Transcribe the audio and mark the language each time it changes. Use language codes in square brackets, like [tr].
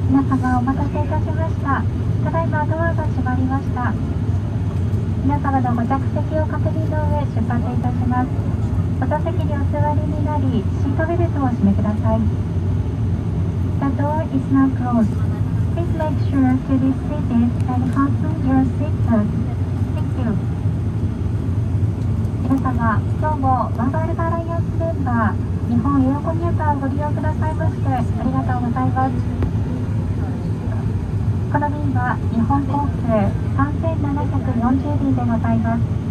[ja] 様お待たせいたしました。ただいまドアが閉まりました。皆様のご着席を確認の上出発いたします。お座席にお座りになりシートベルトをお締めください。 [en] The door is now closed. Please make sure to be seated and fasten your seatbelt. Thank you. [ja] 皆様今日もワーバルバライアンスメンバー日本エアコミューターをご利用くださいましてありがとうございます。この便は日本航空3740便でございます。